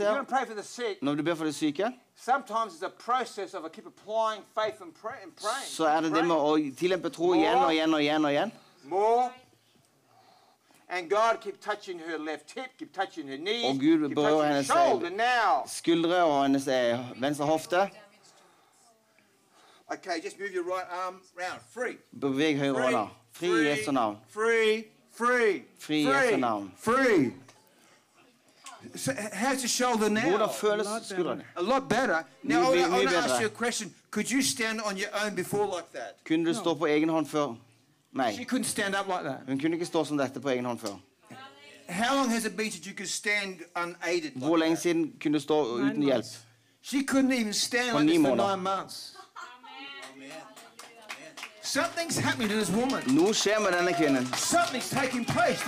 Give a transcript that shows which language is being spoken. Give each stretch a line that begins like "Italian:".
English: you're going to pray for the sick.
Norwegian: Når du ber for det syke.
English: Sometimes it's a process of a keep applying faith and praying.
Norwegian: Så det med å tilempe tro igjen og igjen og igjen og igjen.
English: More. And God keep touching her left hip, keep touching her knee. Og Gud berører hennes skuldre og hennes venstre hofte. Okay, just move your right arm round. Free.
Norwegian: Beveg høyre hånda. Fri I Jesu navn.
English: Free.
Norwegian: Fri I Jesu navn.
English: Free. So, how's your shoulder now?
Norwegian: Hvordan føles skulderen?
English: A lot better. Now, I want to ask you a question. Could you stand on your own before like that?
Norwegian: Kunne du stå på egen hånd før? Nei.
English: She couldn't stand up like that.
Norwegian: Hun kunne ikke stå som dette på egen hånd før.
English: How long has it been that you could stand unaided?
Norwegian: Hvor lenge siden kunne du stå uten hjelp?
English: She couldn't even stand like this for 9 months. Something's happening to this woman.
Norwegian: Noe skjer med denne kvinnen.
English: Something's taking place.